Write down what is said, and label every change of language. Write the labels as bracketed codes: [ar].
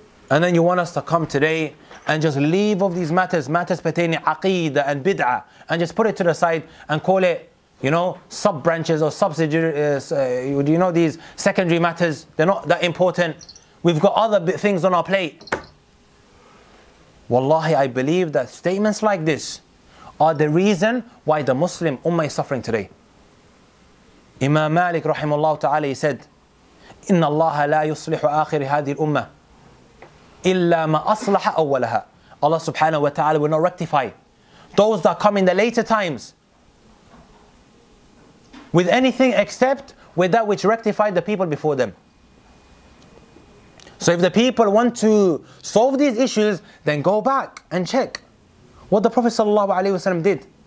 [en] And then you want us to come today and just leave of these matters, matters pertaining aqidah and bid'ah, and just put it to the side and call it, you know, sub-branches or subsidiaries, you know, these secondary matters, they're not that important. We've got other things on our plate. Wallahi, I believe that statements like this are the reason why the Muslim ummah is suffering today. Imam Malik rahimahullah ta'ala, he said, [ar] إِنَّ اللَّهَ لَا يُصْلِحُ آخِرِ هَذِي الْأُمَّةِ إِلَّا مَا أَصْلَحَ أَوَّلَهَا. [en] Allah subhanahu wa ta'ala will not rectify those that come in the later times with anything except with that which rectified the people before them. So if the people want to solve these issues, then go back and check what the Prophet sallallahu alaihi wasallam did.